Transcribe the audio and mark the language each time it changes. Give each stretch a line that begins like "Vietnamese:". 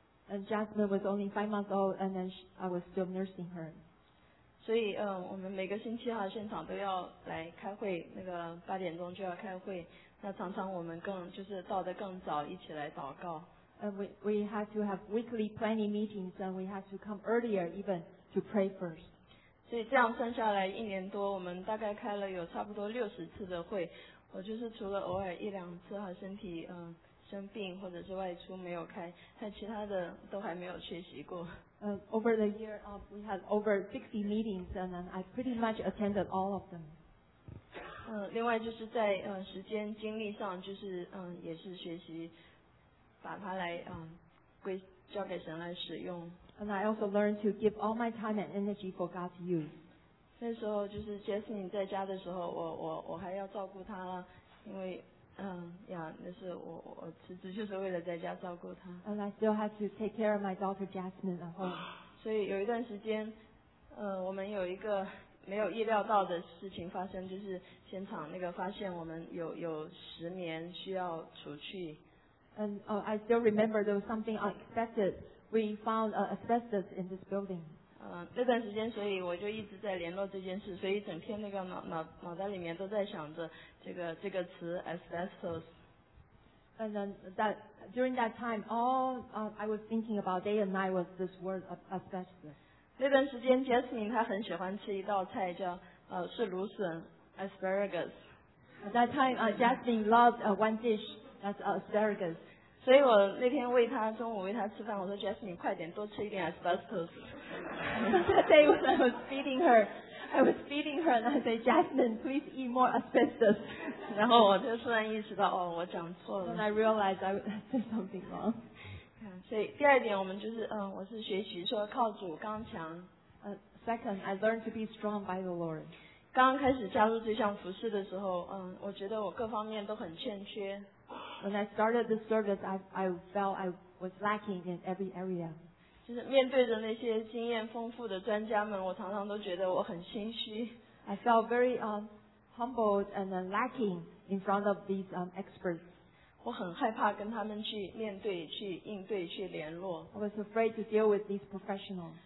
English: And Jasmine was only 5 months old, and then I was still nursing her.
Chinese: 所以我们每个星期哈，现场都要来开会，那个八点钟就要开会。那常常我们更就是到得更早，一起来祷告。
English: And we had to have weekly planning meetings, and we had to come earlier even to pray first.
Chinese: 所以这样算下来，一年多，我们大概开了有差不多60次的会。我就是除了偶尔一两次哈，身体生病或者是外出没有开，但其他的都还没有缺席过。
English: Over the year, we had over 60 meetings, and then I pretty much attended all of them.
Chinese: 另外就是在时间精力上，就是也是学习把它来交给神来使用。
English: And I also learned to give all my time and energy for God to use.
Chinese: 那时候就是 Jasmine 在家的时候，我还要照顾她，因为那是我辞职就是为了在家照顾她。
English: And I still have to take care of my daughter Jasmine at home.
Chinese: 所以有一段时间，我们有一个没有意料到的事情发生，就是现场那个发现我们有失眠需要除去。
English: And I still remember there was something unexpected. We found asbestos in this building.
Chinese: 那段时间，所以我就一直在联络这件事，所以整天那个脑袋里面都在想着这个词 asbestos.
English: And then during that time, I was thinking about day and night was this word asbestos.
Chinese: 那段时间 ，Jasmine 她很喜欢吃一道菜叫是芦笋 asparagus.
English: At that time, Jasmine loved one dish. That's asparagus.
Chinese: 所以我那天喂他中午喂他吃饭，我说 Jasmine 快点多吃一点 asparagus.
English: That day when I was feeding her, and I said Jasmine, please eat more asparagus.
Chinese: 然后我就突然意识到，哦，我讲错了。
English: And I realized I said something wrong.
Chinese: 所以第二点，我们就是，我是学习说靠主刚强。
English: Second, I learned to be strong by the Lord.
Chinese: 刚开始加入这项服事的时候，我觉得我各方面都很欠缺。
English: When I started the service, I felt I was lacking in every area.
Chinese: 就是面对着那些经验丰富的专家们，我常常都觉得我很心虚。
English: I felt very humbled and lacking in front of these experts.
Chinese: 我很害怕跟他们去面对、去应对、去联络。
English: I was afraid to deal with these professionals.